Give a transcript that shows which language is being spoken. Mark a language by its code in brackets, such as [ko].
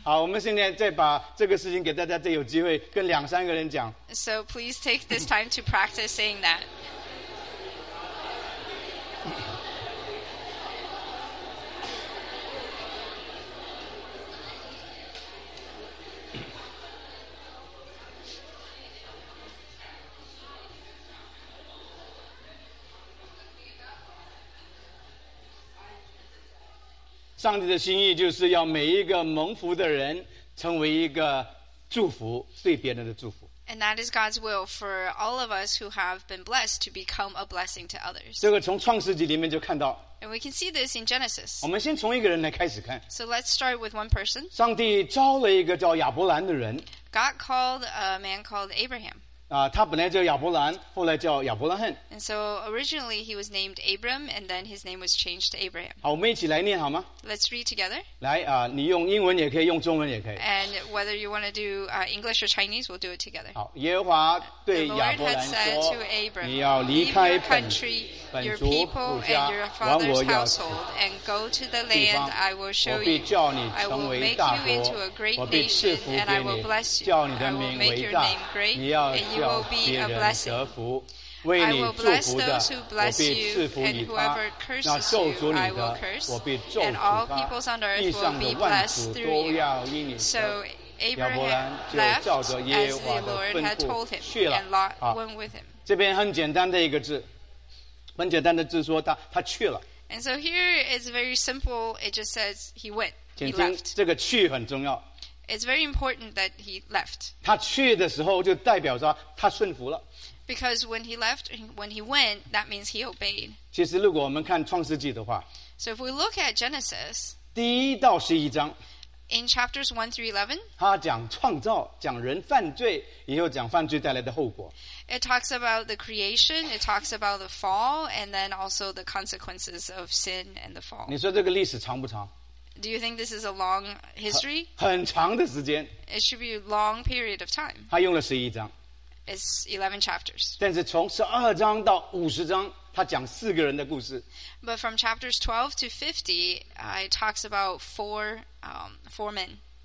[zh] 好我们现在再把这个事情给大家再有机会跟两三个人讲 [en] So please take this time to practice saying that [zh] 上帝的心意就是要每一个蒙福的人成为一个祝福对别人的祝福 [en] And that is God's will for all of us who have been blessed to become a blessing to others [zh] 这个从创世纪里面就看到 [en] And we can see this in Genesis [zh] 我们先从一个人来开始看 [en] So let's start with one person [zh] 上帝招了一个叫亚伯兰的人 [en] God called a man called Abraham [zh] 他本来叫亚伯兰后来叫亚伯拉罕 [en] And so originally he was named Abram and then his name was changed to Abraham [zh] 好我们一起来念好吗 [en] Let's read together [zh] 来你用英文也可以用中文也可以 [en] And whether you want to do English or Chinese we'll do it together [zh] 好耶和华对亚伯兰说 [en] The Lord had said to Abram Leave your country, your people and your father's household and go to the land I will show you [zh] 我必叫你成为大国 [en] I will make you into a great nation and I will bless you [zh] 叫你的名伟大 [en] I will make your name great and you will be a blessing I will bless those who bless you and whoever curses you I will curse and all peoples on earth will be blessed through you so Abraham left as the Lord had told him and Lot went with him [zh] 这边很简单的一个字很简单的字说 他去了 [en] and so here it's very simple it just says he went he left [zh] 这个去很重要 [en] it's very important that he left [zh] 他去的时候就代表着他顺服了 [en] Because when he left, when he went, that means he obeyed. [zh] 其实如果我们看创世纪的话 [en] So if we look at Genesis, [zh] 第一到十一章 [en] In chapters 1 through 11, [zh] 他讲创造, 讲人犯罪, [en] it talks about the creation, it talks about the fall, and then also the consequences of sin and the fall. [zh] 你说这个历史长不长? [en] Do you think this is a long history? [zh] 很长的时间, [en] it should be a long period of time. [zh] 他用了11章, [en] it's 11 chapters. [zh] 但是从12章到50章, 他讲四个人的故事, [en] but from chapters 12 to 50, it talks about four men.